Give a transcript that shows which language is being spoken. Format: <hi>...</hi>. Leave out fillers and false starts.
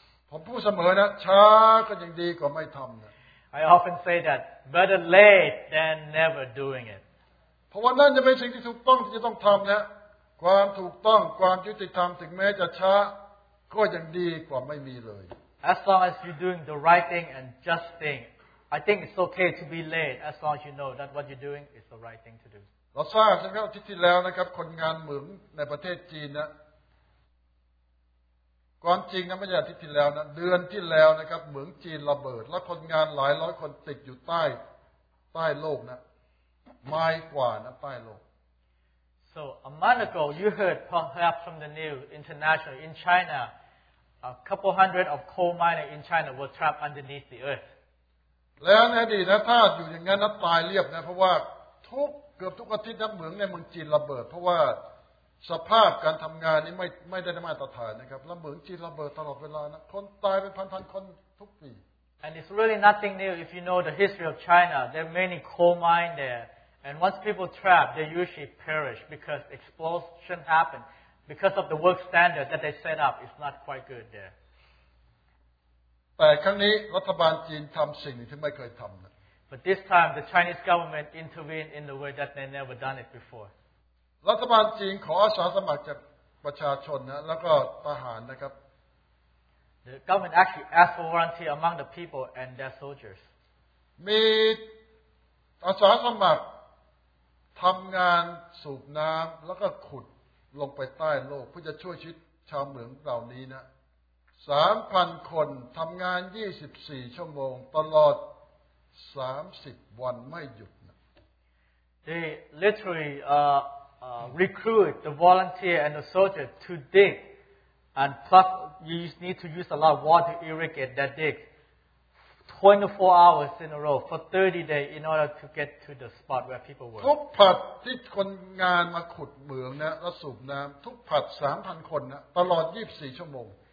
<th>ผมพูดเสมอนะช้าก็ยังดีกว่าไม่ทำนะ</th> <en>I often say that better late than never doing it</en> <th>เพราะว่านั่นจะเป็นสิ่งที่ถูกต้องที่จะต้องทำนะความถูกต้องความยุติธรรมถึงแม้จะช้าก็ยังดีกว่าไม่มีเลย</th> <en>As long as you're doing the right thing and just thing I think it's okay to be late as long as you know that what you're doing is the right thing to do</en> <th>เราทราบใช่ไหมครับที่ที่แล้วนะครับคนงานเหมืองในประเทศจีนนะความจริงนะไม่ใช่อาทิตย์ที่แล้วนะเดือนที่แล้วนะครับเหมืองจีนระเบิดและคนงานหลายร้อยคนติดอยู่ใต้โลกนะไม่กว่านะใต้โลก</th> <en>So a month ago you heard perhaps from the news international in China a couple hundred of coal miners in China were trapped underneath the earth</en> <th>แล้วในอดีตนะถ้าอยู่อย่างนั้นนะตายเรียบนะเพราะว่าทุกเกือบทุกอาทิตย์นะเหมืองในเมืองจีนระเบิดเพราะว่าสภาพการทำงานนี้ไม่ได้มาตรฐานนะครับแล้วเหมืองจีนระเบิดตลอดเวลานะคนตายเป็นพันๆคนทุกปี</th> <en>And it's really nothing new if you know the history of China. There are many coal mines there, and once people trapped, they usually perish because explosion happened because of the work standard that they set up is not quite good there.</en> <th>แต่ครั้งนี้รัฐบาลจีนทำสิ่งที่ไม่เคยทำนะ</th> <en>But this time the Chinese government intervened in the way that they never done it before.</en> <th>รัฐบาลจีนขออาสาสมัครจากประชาชนนะแล้วก็ทหารนะครับ</th> <en>The government actually asked for volunteer among the people and their soldiers</en> <th>มีอาสาสมัครทำงานสูบน้ำแล้วก็ขุดลงไปใต้โลกเพื่อจะช่วยชีวิตชาวเหมืองเหล่านี้นะ 3,000 คนทำงาน24ชั่วโมงตลอด30วันไม่หยุดนะ</th> <en>They literally recruit the volunteer and the soldier to dig and plus you need to use a lot of water to irrigate that dig 24 hours in a row for 30 days in order to get to the spot where people were</en> <th>ทุกผัดที่คนงานมาขุดเหมืองนะแล้วสูบน้ำทุกผัด 3,000 คนนะตลอด24ชั่วโมง</th>